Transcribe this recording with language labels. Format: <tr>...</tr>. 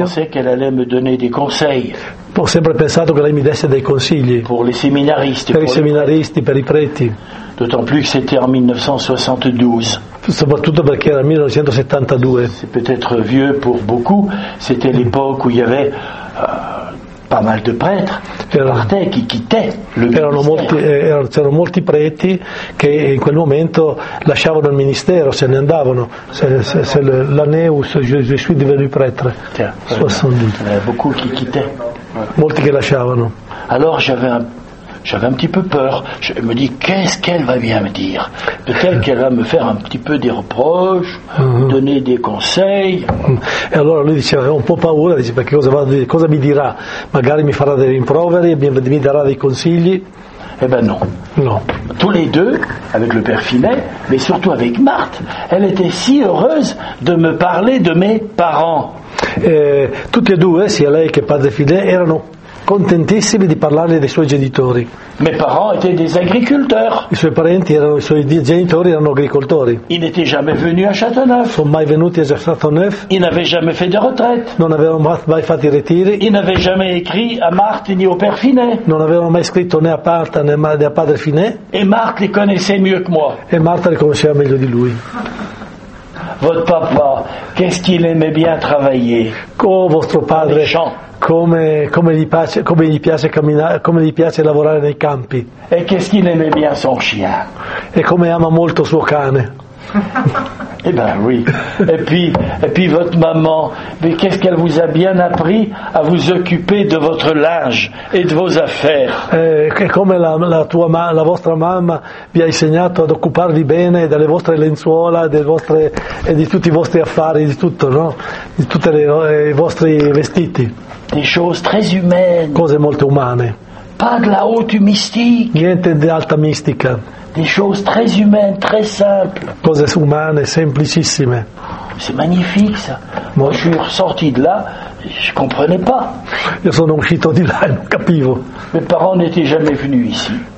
<fr>Je pensais qu'elle allait me donner des conseils.</fr> <it>Ho sempre pensato che lei mi desse dei consigli.</it> <fr>Pour les séminaristes.</fr> <it>Per i seminaristi, per i preti.</it> <fr>D'autant plus que c'était en 1972.</fr> <it>Soprattutto perché era 1972.</it> <fr>C'est peut-être vieux pour beaucoup. C'était l'époque où il y avait pas mal de prêtres qui quittaient le ministère.</fr> <it>C'erano molti preti che in quel momento lasciavano il ministero, se ne andavano.</it> <fr>C'est l'année où je suis devenu prêtre. 72. Beaucoup qui quittaient.</fr> <it>Molti che lasciavano.</it> <fr>Alors j'avais un petit peu peur. Je me dis, qu'est-ce qu'elle va bien me dire? Peut-être qu'elle va me faire un petit peu des reproches, donner des conseils.</fr> <it>E allora lui diceva, avevo un po' paura, dice, perché cosa mi dirà? Magari mi farà dei rimproveri, mi darà dei consigli.</it> <fr>Eh ben non. Non. Tous les deux, avec le père Finet, mais surtout avec Marthe, elle était si heureuse de me parler de mes parents.</fr> <it>Tutti e due, sia lei che padre Finet, erano contentissimi di parlare dei suoi genitori.</it> <fr>Mes parents étaient des agriculteurs.</fr> <it>I suoi genitori erano agricoltori.</it> <fr>Ils n'étaient jamais venus à Châteauneuf.</fr> <it>Sono mai venuti a Châteauneuf.</it> <fr>Ils n'avaient jamais fait de retraite.</fr> <it>Non avevano mai fatto i ritiri.</it> <fr>Ils n'avaient jamais écrit à Marthe ni au père Finet.</fr> <it>Non avevano mai scritto né a Marthe né a padre Finet.</it> <fr>Et Marthe les connaissait mieux que moi.</fr> <it>E Marthe li conosceva meglio di lui.</it> <fr>votre papa, qu'est-ce qu'il aimait bien travailler?</fr> <it>Oh, votre padre, come gli piace lavorare nei campi.</it> <fr>E qu'est-ce qu'il aimait bien son chien?</fr> <it>E come ama molto suo cane.</it> <fr>Eh ben oui. Et puis votre maman, mais qu'est-ce qu'elle vous a bien appris à vous occuper de votre linge et de vos affaires?</fr> <it>Come la vostra mamma vi ha insegnato ad occuparvi bene delle vostre lenzuola, delle vostre e di tutti i vostri affari, di tutto, no? Di tutte i vostri vestiti.</it> <fr>Des choses très humaines.</fr> <it>Cose molto umane.</it> <fr>Pas de la haute mystique.</fr> <it>Niente di alta mistica.</it> <fr>Des choses très humaines, très simples.</fr> <it>Cose umane, semplicissime.</it> <fr>C'est magnifique ça. Moi, je suis ressorti de là, je comprenais pas.</fr> <it>Io sono uscito di là e non capivo.</it> <fr>Mes parents n'étaient jamais venus ici.</fr>